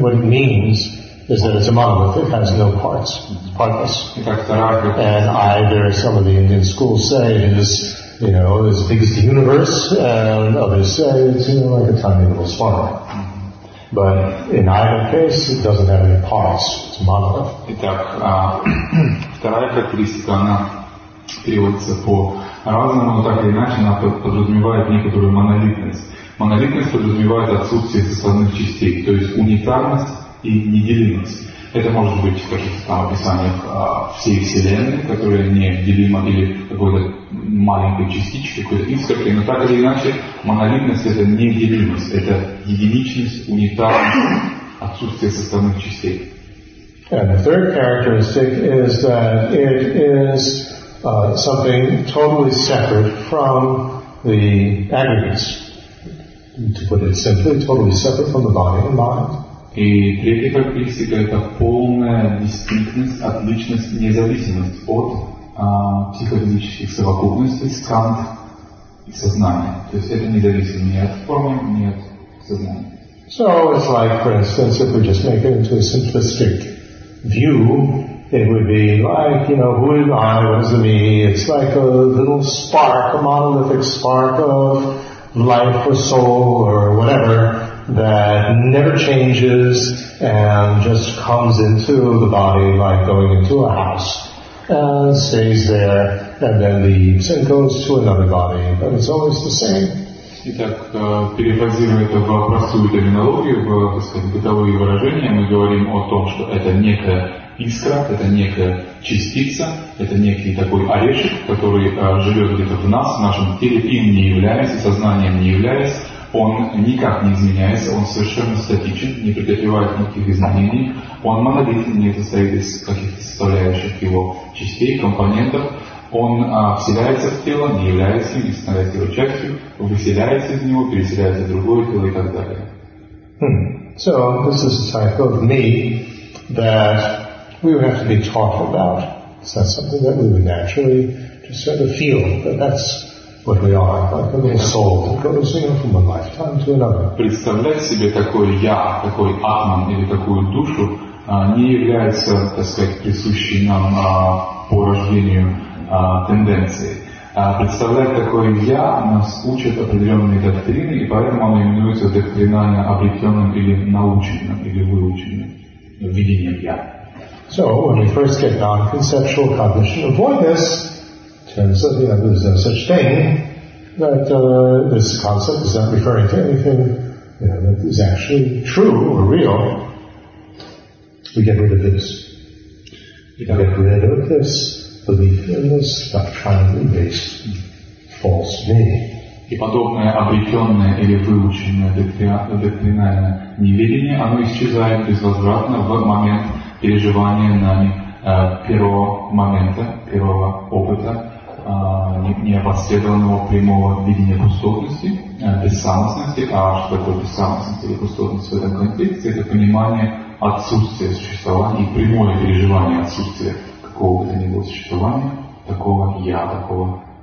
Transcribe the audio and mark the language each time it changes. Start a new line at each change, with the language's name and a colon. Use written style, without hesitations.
English: What it means is that it's a monolith. It has no parts. It's partless. And either some of the Indian schools say it is, you know, it's the biggest universe, and others say it's, you know, like a tiny little spark. But in either case, it doesn't have any parts. It's a monolith.
Russian: Итак, вторая характеристика, она переводится по разному, но так или иначе она подразумевает некоторую монолитность. Монолитность подразумевает отсутствие составных частей, то есть унитарность и неделимость. Это может быть, кажется, там описание всей Вселенной, которая неделима, или какой-то маленькой частички, какой-то искорки, но так или иначе, монолитность — это неделимость, это единичность, унитарность, отсутствие составных частей.
English: And the third characteristic is that it is something totally separate from the aggregates. To put it simply, totally separate from the body and mind.
Russian: И третья характеристика — это полная дистинктность, отличность, независимость от психофизических совокупностей, скант и сознания. То есть это независимо ни от формы, ни от сознания.
English: So it's like, for instance, if we just make it into a simplistic view, it would be like, you know, who am I, what is the me? It's like a little spark, a monolithic spark of life or soul or whatever that never changes and just comes into the body like going into a house and stays there and then leaves and goes to another body, but it's always the same.
Russian: Итак, перефразируя это в простую терминологию, в, так сказать, бытовые выражения, мы говорим о том, что это некая искра, это некая частица, это некий такой орешек, который живет где-то в нас, в нашем теле, им не являясь, сознанием не являясь, он никак не изменяется, он совершенно статичен, не претерпевает никаких изменений, он монолитен, не состоит из каких-то составляющих его частей, компонентов. Он вселяется в тело, не является им, не становится его частью, выселяется из него, переселяется в другое тело и так далее.
English: So, this is a type of me that we would have to be taught about. It's not something that we would naturally just sort of feel, but that's what we are, like a little soul that goes, you know, from one lifetime to another.
Russian: Представлять себе такое «я», такой «атман» или такую «душу» не является, так сказать, присущей нам по рождению тенденции. Представляет такое «я» нас учат определенные доктрины, и поэтому оно именуется доктринально обретенным или наученным, или выученным видением «я».
English: So, when we first get non-conceptual cognition of voidness, turns out, you know, there's no such thing, that this concept is not referring to anything, you know, that is actually true or real, we get rid of this. We get rid of this belief in this doctrinally-based false me.
Russian: И подобное обретенное или выученное доктринальное неведение, оно исчезает безвозвратно в момент переживания нами первого момента, первого опыта, неопосредованного прямого видения пустотности, бессамостности, а что такое бессамостность или пустотность в этом контексте, это понимание отсутствия существования и прямое переживание отсутствия какого-то не было существования, такого «я», такого.